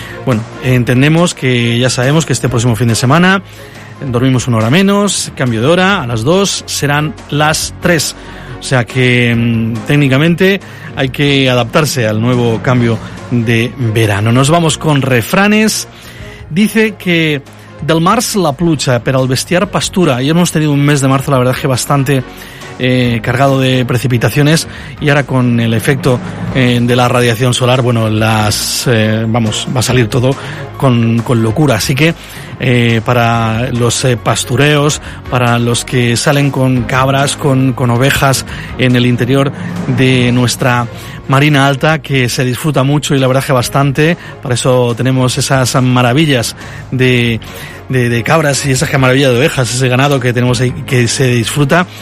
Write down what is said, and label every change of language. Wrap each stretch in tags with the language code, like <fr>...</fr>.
<es>Bueno, entendemos que ya sabemos que este próximo fin de semana dormimos una hora menos, cambio de hora, a las 2 serán las 3. O sea que técnicamente hay que adaptarse al nuevo cambio de verano. Nos vamos con refranes. Dice que</es> <ca>del març la pluja, pero al bestiar pastura.</ca> <es>Y hemos tenido un mes de marzo, la verdad, que bastante cargado de precipitaciones. Y ahora con el efecto de la radiación solar, bueno, va a salir todo con locura. Así que para los pastureos, para los que salen con cabras, con ovejas en el interior de nuestra Marina Alta, que se disfruta mucho y la verdad que bastante, para eso tenemos esas maravillas de cabras y esas maravillas de ovejas, ese ganado que tenemos ahí que se disfruta.</es>